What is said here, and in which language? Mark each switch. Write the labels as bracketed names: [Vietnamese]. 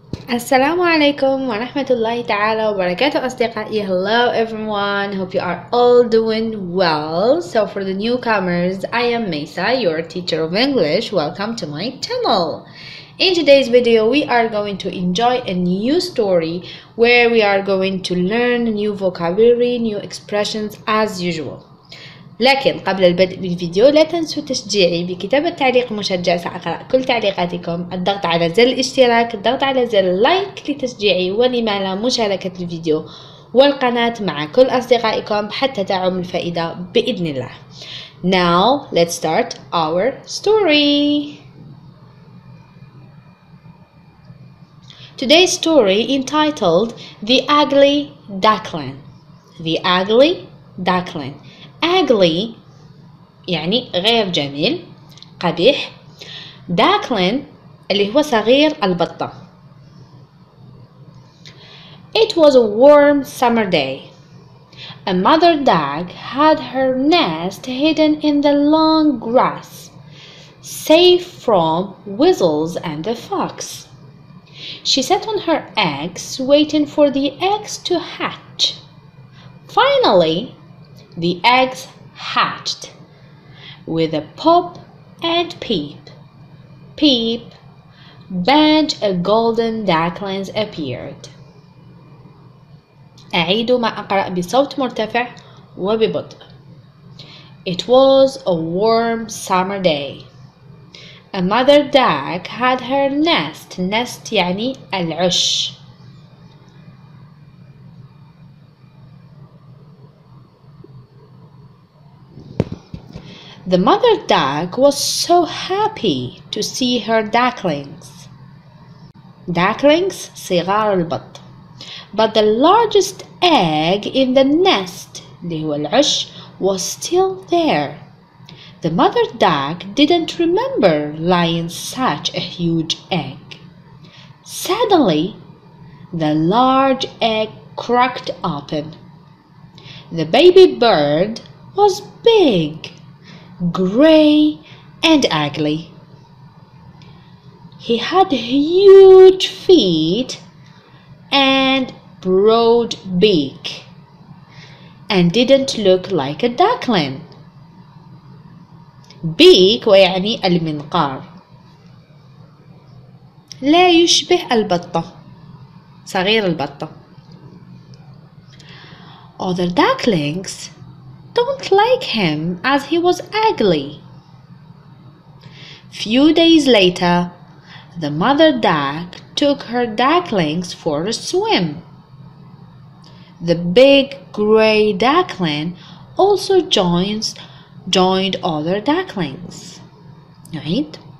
[Arabic] السلام عليكم ورحمة الله تعالى وبركاته أصدقائي. [English] Hello everyone, hope you are all doing well. So for the newcomers, I am Mesa, your teacher of English. Welcome to my channel. In today's video, we are going to enjoy a new story where we are going to learn new vocabulary, new expressions as usual. [Arabic] لكن قبل البدء بالفيديو لا تنسوا تشجيعي بكتابة تعليق مشجع، سأقرأ كل تعليقاتكم، الضغط على زر الاشتراك، الضغط على زر اللايك لتشجيعي، ولما لا مشاركة الفيديو والقناة مع كل أصدقائكم حتى تعم الفائدة بإذن الله. [English] Now let's start our story. Today's story entitled The Ugly Duckling. The Ugly Duckling. [Arabic] Ugly يعني غير جميل، قبيح. Duckling اللي هو صغير البطة. [English] It was a warm summer day. A mother duck had her nest hidden in the long grass, safe from weasels and the fox. She sat on her eggs, waiting for the eggs to hatch. Finally, the eggs hatched with a pop and peep. Peep, bang, a golden duckling appeared. [Arabic] أعيد ما أقرأ بصوت مرتفع وببطء. [English] It was a warm summer day. A mother duck had her nest. [Arabic] Nest يعني العش. [English] The mother duck was so happy to see her ducklings. [Arabic] Ducklings صغار البط. [English] But the largest egg in the nest, [Arabic] اللي هو العش, [English] was still there. The mother duck didn't remember laying such a huge egg. Suddenly, the large egg cracked open. The baby bird was big, gray, and ugly. He had huge feet and broad beak and didn't look like a duckling. [Arabic] بيك ويعني المنقار، لا يشبه البطة، صغير البطة. [English] Other ducklings don't like him as he was ugly. Few days later, the mother duck took her ducklings for a swim. The big gray duckling also joined other ducklings. Right?